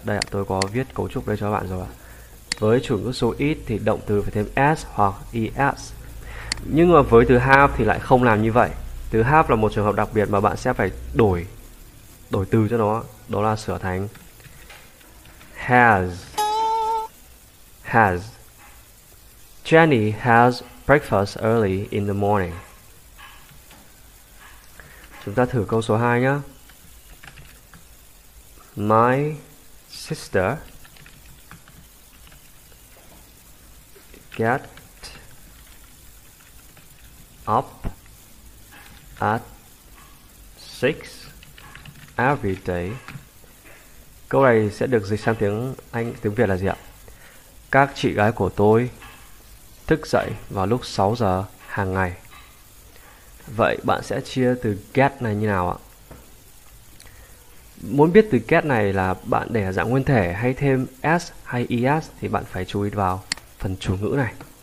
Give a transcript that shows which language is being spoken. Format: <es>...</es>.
<vi>Đây ạ, tôi có viết cấu trúc đây cho bạn rồi ạ. Với chủ ngữ số ít thì động từ phải thêm s hoặc es. Nhưng mà với từ have thì lại không làm như vậy. Từ have là một trường hợp đặc biệt mà bạn sẽ phải đổi từ cho nó, đó là sửa thành has.</vi> <en>Jenny has breakfast early in the morning.</en> <vi>Chúng ta thử câu số 2 nhé.</vi> <en>My sister get up at 6 every day.</en> <vi>Câu này sẽ được dịch sang tiếng Anh, tiếng Việt là gì ạ? Các chị gái của tôi thức dậy vào lúc 6 giờ hàng ngày. Vậy bạn sẽ chia từ get này như nào ạ? Muốn biết từ get này là bạn để ở dạng nguyên thể hay thêm s hay es thì bạn phải chú ý vào phần chủ ngữ này.</vi>